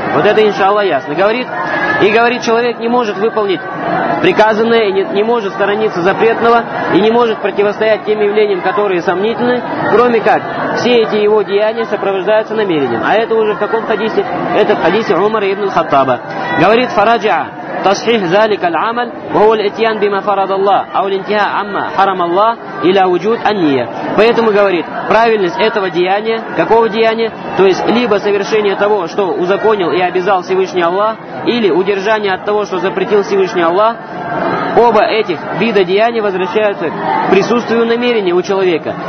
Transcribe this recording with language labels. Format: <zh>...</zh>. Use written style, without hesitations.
<ru>Вот это, иншаллах, ясно. Говорит, и говорит, человек не может выполнить приказанное, не может сторониться запретного и не может противостоять тем явлениям, которые сомнительны, кроме как все эти его деяния сопровождаются намерением. А это уже в каком хадисе? Это в хадисе Умара ибн Хаттаба. Говорит, фараджа.</ru> <ar>تصحيح ذلك العمل وهو الاتيان بما فرض الله او الانتهاء عما حرم الله الى وجود النية.</ar> <ru>Поэтому говорит, правильность этого деяния, какого деяния, то есть либо совершение того, что узаконил и обязал Всевышний Аллах, или удержание от того, что запретил Всевышний Аллах, оба этих вида деяний возвращаются к присутствию намерения у человека.</ru>